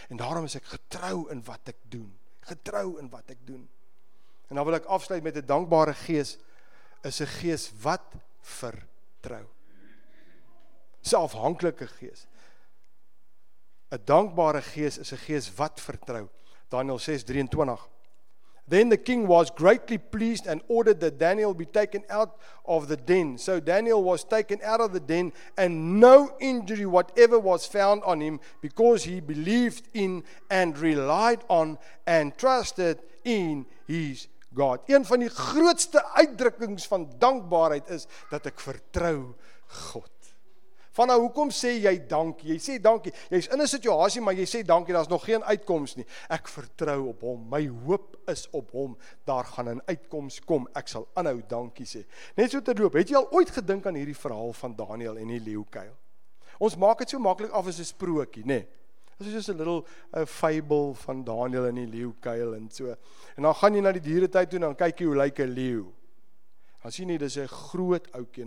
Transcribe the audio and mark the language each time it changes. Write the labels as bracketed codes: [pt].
[af] En daarom is ek getrou in wat ek doen. Getrou in wat ek doen. En dan wil ek afsluit met 'n dankbare gees. Is 'n gees wat vertrou. Is 'n afhanklike gees. 'n Dankbare gees is 'n gees wat vertrou. Daniel 6:23. [en] Then the king was greatly pleased and ordered that Daniel be taken out of the den. So Daniel was taken out of the den and no injury whatever was found on him because he believed in and relied on and trusted in his God. [af] Een van die grootste uitdrukkings van dankbaarheid is dat ek vertrou God. Vanna, hoekom sê jy dankie? Jy sê dankie, jy is in 'n situasie, maar jy sê dankie, daar is nog geen uitkomst nie. Ek vertrou op hom, my hoop is op hom, daar gaan een uitkomst kom, ek sal aanhou dankie sê. Net so terloop, het jy al ooit gedink aan hierdie verhaal van Daniel en die leeukuil? Ons maak het so makkelijk af as 'n sprookie, nee. Dit is [en] just a little fable [af] van Daniel en die leeuwkuil en so. En dan gaan jy na die dieretuin toe en dan kyk jy hoe lyk 'n leeu. Dan sien jy, dis 'n groot oukie.